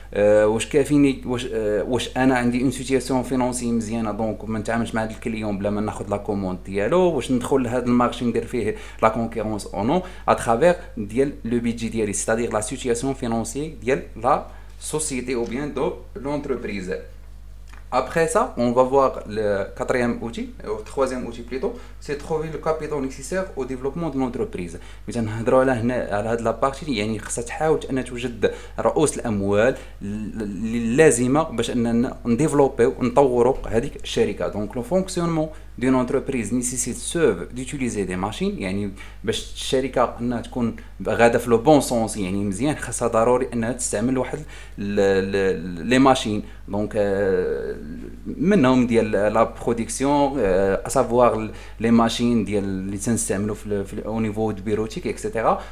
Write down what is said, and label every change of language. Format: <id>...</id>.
<ar>واش كافيني واش انا عندي اون سيتياسيون فينونسي مزيانه دونك ما نتعاملش مع هذا الكليون بلا ما ناخذ لا كوموند ديالو، واش ندخل لهذا المارشي ندير فيه لا كونكورونس او نو اترافيغ ديال لو بي جي ديالي، ستادير لا سيتياسيون فينونسي ديال لا</ar> <fr>société ou bien de l'entreprise. Après ça, on va voir le quatrième outil, ou le troisième outil plutôt, c'est trouver le capital nécessaire au développement de l'entreprise. Mais on va voir ici, à cette partie,</fr> <ar>يعني خصها تحاول ان توجد رؤوس الاموال اللازمه باش اننا نديفلوبيو نطوروا هذيك الشركه. دونك لو فونكسيونمون</ar> <fr>d'une entreprise nécessite serve d'utiliser des machines,</fr> <ar>يعني باش الشركه انها تكون غاده في لو بون سونس، يعني مزيان خاصها ضروري انها تستعمل واحد لي ماشين، دونك منهم ديال لا برودكسيون اسافوار لي ماشين ديال اللي تنستعملوا في او نيفو دو بيروتيك اكسيتيرا.</ar>